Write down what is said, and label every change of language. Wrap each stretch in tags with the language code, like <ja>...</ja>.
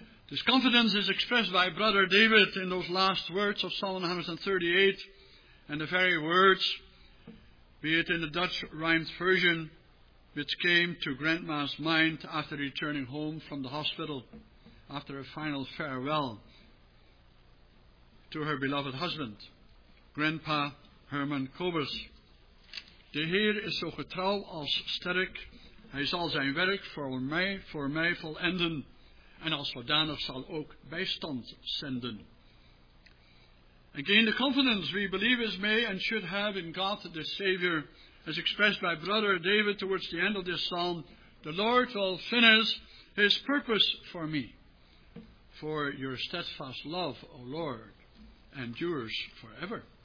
<en>This confidence is expressed by Brother David in those last words of Psalm 138, and the very words, be it in the Dutch rhymed version, which came to Grandma's mind after returning home from the hospital, after a final farewell to her beloved husband, Grandpa Herman Kobus.</en> <nl>De Heer is zo getrouw als sterk, hij zal zijn werk voor mij volenden, en als zodanig zal ook bijstand zenden.</nl> <en>Again, the confidence we believers may and should have in God the Savior, as expressed by Brother David towards the end of this psalm, the Lord will finish his purpose for me. For your steadfast love, O Lord, endures forever.</en>